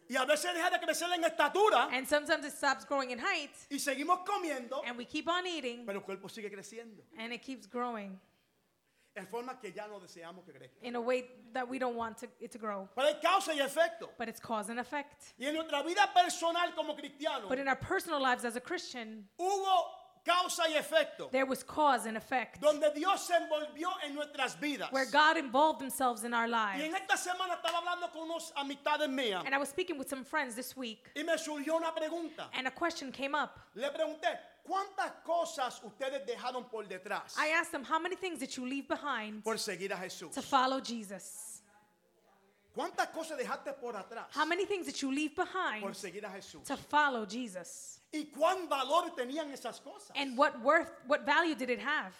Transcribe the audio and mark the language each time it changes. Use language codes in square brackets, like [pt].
[es] Y a veces deja de crecer en estatura. [en] And sometimes it stops growing in height. [es] Y seguimos comiendo. [en] And we keep on eating. [es] Pero el cuerpo sigue creciendo. [en] And it keeps growing. [es] En forma que ya no deseamos que crezca. [en] In a way that we don't want to, it to grow. [es] Pero es causa y efecto. [en] But it's cause and effect. [es] Y en nuestra vida personal como cristianos. [en] But in our personal lives as a Christian. [es] Hubo causa y efecto. [en] There was cause and effect. [es] Donde Dios se envolvió en nuestras vidas. [en] Where God involved themselves in our lives. [es] Y en esta semana estaba hablando con unos amistades mías. [en] And I was speaking with some friends this week. [es] Y me surgió una pregunta. [en] And a question came up. [es] Le pregunté, ¿cuántas cosas ustedes dejaron por detrás? [en] I asked them, how many things did you leave behind? [es] Por seguir a Jesús. [en] To follow Jesus. [es] ¿Cuántas cosas dejaste por atrás? [en] How many things did you leave behind? [es] Por seguir a Jesús. [en] To follow Jesus. [es] ¿Y cuán valor tenían esas cosas? [en] And what worth, what value did it have?